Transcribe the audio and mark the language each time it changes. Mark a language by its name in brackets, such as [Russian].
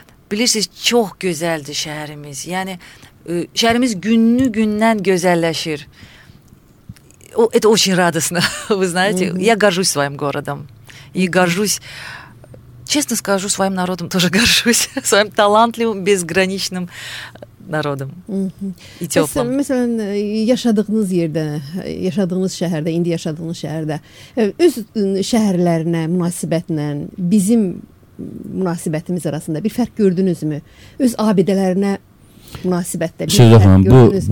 [Azerbaijani] Bilirsiniz, çox gözəldir şəhərimiz. Yəni, şəhərimiz günlü gündən gözəlləşir. [Russian] O, это очень радостно, вы знаете. Я горжусь своим городом. И горжусь... Честно скажу, своим народом тоже горжусь. Своим талантливым, безграничным народом. И теплым. [Azerbaijani] Мысалы, yaşadığınız yerdə, yaşadığınız şəhərdə, indi yaşadığınız şəhərdə, öz şəhərlərinə, münasibətlə, bizim münasibətimiz arasında bir fərq gördünüzmü? Öz abidələrinə münasibətdə bir fərq gördünüzmü?